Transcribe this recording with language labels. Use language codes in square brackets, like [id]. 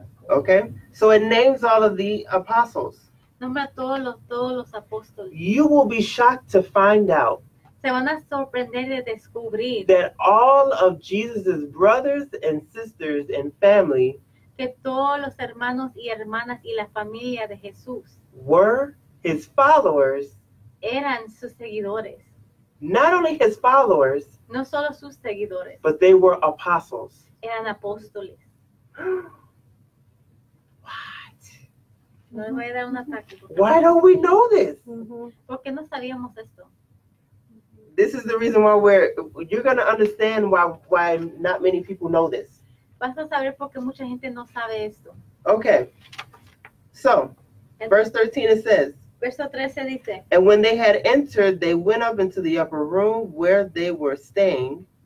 [en] Okay, so it names all of the apostles. [es] Nombra todos los apóstoles. [en] You will be shocked to find out. [es] Se van a sorprender de descubrir. [en] That all of Jesus's brothers and sisters and family. [es] Que todos los hermanos y hermanas y la familia de Jesús. [en] Were his followers. [es] Eran sus seguidores. [en] Not only his followers. [es] No solo sus seguidores. [en] But they were apostles. [es] Eran apóstoles. [en] Why don't we know this? [es] ¿Por qué no sabíamos esto? [en] This is the reason why you're going to understand why not many people know this. [es] Vas a saber por qué mucha gente no sabe esto. [en] Okay. So, verse 13 it says. [es] Verso 13 dice. [en] And when they had entered, they went up into the upper room where they were staying.